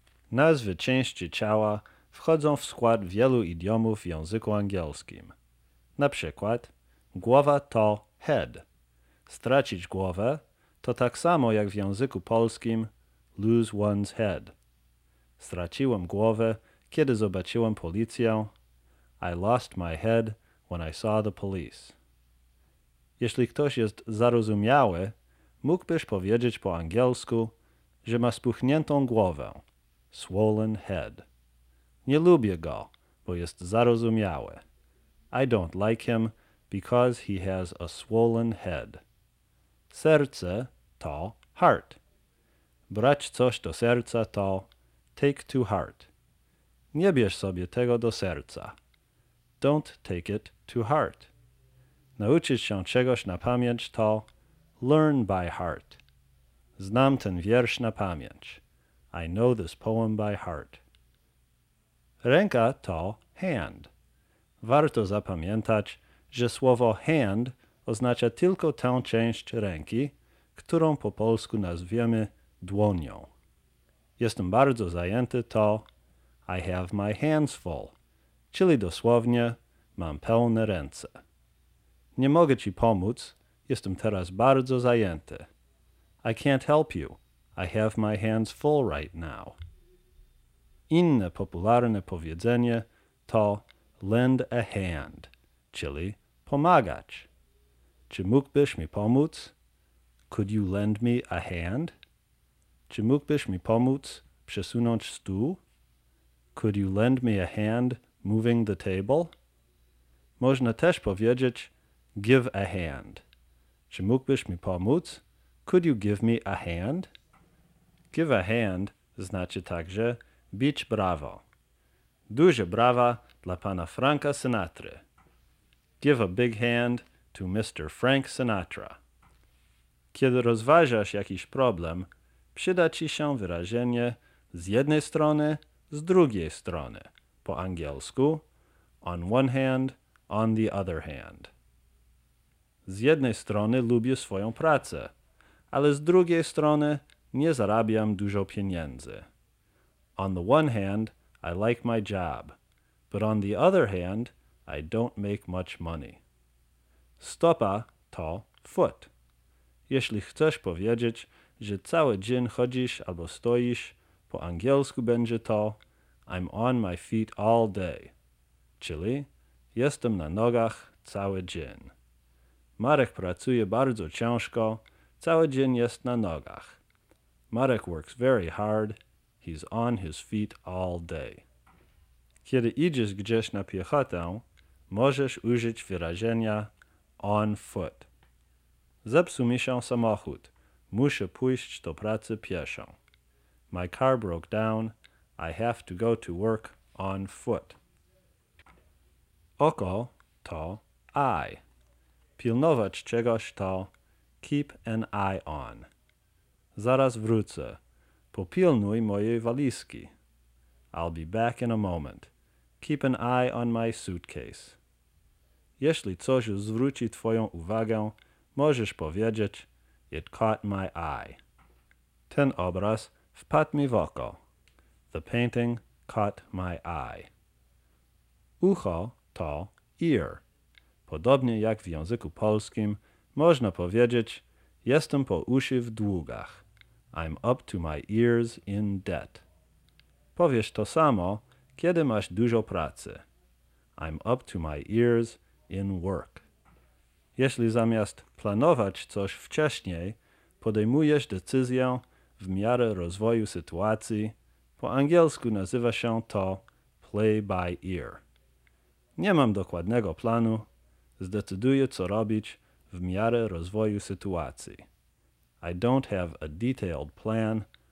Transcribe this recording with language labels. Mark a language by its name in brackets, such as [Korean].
[Polish] Nazwy części ciała wchodzą w skład wielu idiomów w języku angielskim. Na przykład, głowa to head. Stracić głowę to tak samo jak w języku polskim [English] lose one's head. [Polish] Straciłem głowę, kiedy zobaczyłem policję. [English] I lost my head when I saw the police. [Polish] Jeśli ktoś jest zarozumiały, mógłbyś powiedzieć po angielsku, że ma spuchniętą głowę. [English] Swollen head. [Polish] Nie lubię go, bo jest zarozumiały. [English] I don't like him because he has a swollen head. [Polish] Serce to heart. Brać coś do serca to [English] take to heart. [Polish] Nie bierz sobie tego do serca. [English] Don't take it to heart. [Polish] Nauczyć się czegoś na pamięć to [English] learn by heart. [Polish] Znam ten wiersz na pamięć. [English] I know this poem by heart. [Polish] Ręka to hand. Warto zapamiętać, że słowo hand oznacza tylko tę część ręki, którą po polsku nazwiemy dłonią. Jestem bardzo zajęty to [English] I have my hands full, [Polish] czyli dosłownie mam pełne ręce. Nie mogę ci pomóc, jestem teraz bardzo zajęty. [English] I can't help you, I have my hands full right now. [Polish] Inne popularne powiedzenie to [English] lend a hand, [Polish] czyli pomagać. Czy mógłbyś mi pomóc? [English] Could you lend me a hand? [Polish] Czy mógłbyś mi pomóc przesunąć stół? [English] Could you lend me a hand moving the table? [Polish] Można też powiedzieć [English] give a hand. [Polish] Czy mógłbyś mi pomóc? [English] Could you give me a hand? Give a hand [Polish] znaczy także bić brawo. Duże brawa dla pana Franka Sinatry. [English] Give a big hand to Mr. [Polish] Frank Sinatra. Kiedy rozważasz jakiś problem, przyda ci się wyrażenie z jednej strony, z drugiej strony. Po angielsku, [English] on one hand, on the other hand. [Polish] Z jednej strony lubię swoją pracę, ale z drugiej strony nie zarabiam dużo pieniędzy. [English] On the one hand, I like my job, but on the other hand, I don't make much money. [Polish] Stopa to foot. Jeśli chcesz powiedzieć, że cały dzień chodzisz albo stoisz, po angielsku będzie to [English] I'm on my feet all day, [Polish] czyli jestem na nogach cały dzień. Marek pracuje bardzo ciężko, cały dzień jest na nogach. [English] Marek works very hard, he's on his feet all day. [Polish] Kiedy idziesz gdzieś na piechotę, możesz użyć wyrażenia [English] on foot. [Polish] Zepsuł mi się samochód, muszę pójść do pracy pieszo. [English] My car broke down, I have to go to work on foot. [Polish] Oko to eye. Pilnować czegoś to [English] keep an eye on. [Polish] Zaraz wrócę. Popilnuj mojej walizki. [English] I'll be back in a moment. Keep an eye on my suitcase. [Polish] Jeśli coś zwróci twoją uwagę, możesz powiedzieć [English] it caught my eye. [Polish] Ten obraz wpadł mi w oko. [English] The painting caught my eye. [Polish] Ucho to ear. Podobnie jak w języku polskim, można powiedzieć jestem po uszy w długach. [English] I'm up to my ears in debt. [Polish] Powiesz to samo, kiedy masz dużo pracy. [English] I'm up to my ears in work. [Polish] Jeśli zamiast planować coś wcześniej, podejmujesz decyzję w miarę rozwoju sytuacji, po angielsku nazywa się to [English] play by ear. [Polish] Nie mam dokładnego planu. Zdecyduję, co robić w miarę rozwoju sytuacji. [English] I don't have a detailed plan.